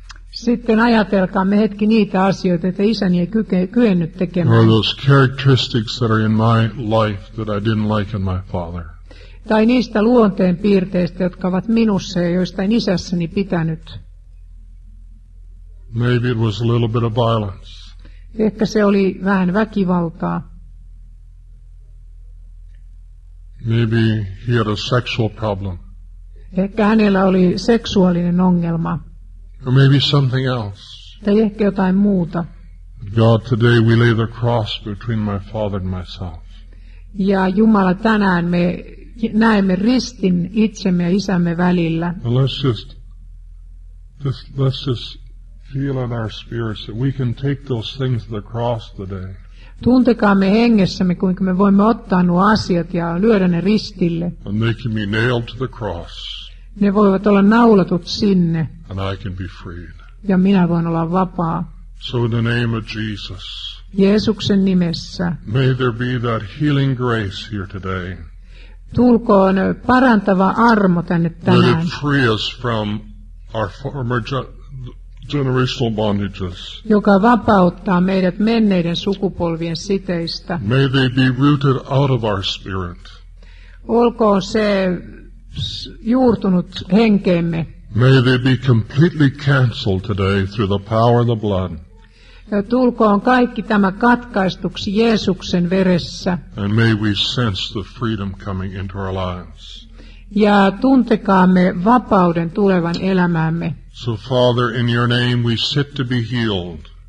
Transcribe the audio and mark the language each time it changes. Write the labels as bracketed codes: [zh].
[fi] Sitten ajatelkaamme hetki niitä asioita, että isäni ei kyennyt tekemään. [en] Or those characteristics that are in my life that I didn't like in my father. [fi] Tai niistä luonteen piirteistä, jotka ovat minussa ja joista en isässäni pitänyt. [en] Maybe it was a little bit of violence. [fi] Ehkä se oli vähän väkivaltaa. [en] Maybe he had a sexual problem. [fi] Ehkä hänellä oli seksuaalinen ongelma. [en] Or maybe something else. [fi] Tai ehkä jotain muuta. [en] God, today we lay the cross between my father and myself. [fi] Ja Jumala, tänään me näemme ristin itsemme ja isämme välillä. [en] Well, let's just feel in our spirits that we can take those things to the cross today. [fi] Tuntekaamme hengessämme, kuinka me voimme ottaa nuo asiat ja lyödä ne ristille. [en] And they can be nailed to the cross. [fi] Ne voivat olla naulatut sinne. [en] And I can be freed. [fi] Ja minä voin olla vapaa. [en] So in the name of Jesus. [fi] Jeesuksen nimessä. [en] May there be that healing grace here today. [fi] Tulkoon parantava armo tänne tänään. [en] Let it free us from our former generational bondages. [fi] Joka vapauttaa meidät menneiden sukupolvien siteistä. [en] May they be rooted out of our spirit. [fi] Olkoon se juurtunut henkeemme. [en] May they be completely canceled today through the power of the blood. [fi] Tulkoon kaikki tämä katkaistuksi Jeesuksen veressä. [en] And may we sense the freedom coming into our lives. [fi] Ja tuntekaamme vapauden tulevan elämäämme. [en] So Father, in your name we sit to be healed.